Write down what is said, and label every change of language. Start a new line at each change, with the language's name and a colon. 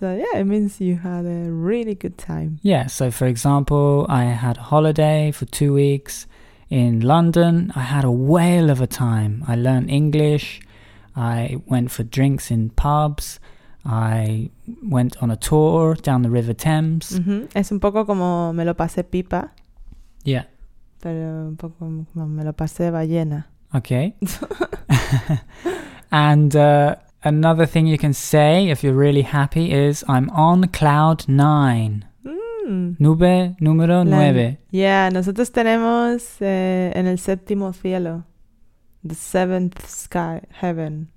English: So yeah, it means you had a really good time. Yeah. So for example, I had a holiday for 2 weeks. In London, I had a whale of a time. I learned English. I went for drinks in pubs. I went on a tour down the River Thames. Mm-hmm.
Spanish: Es un poco como me lo pasé pipa.
English: Yeah.
Spanish: Pero un poco como me lo pasé ballena.
English: Okay. And another thing you can say if you're really happy is I'm on cloud 9.
Spanish: Nube número 9. Yeah, nosotros tenemos en el séptimo cielo.
English: The seventh sky, heaven.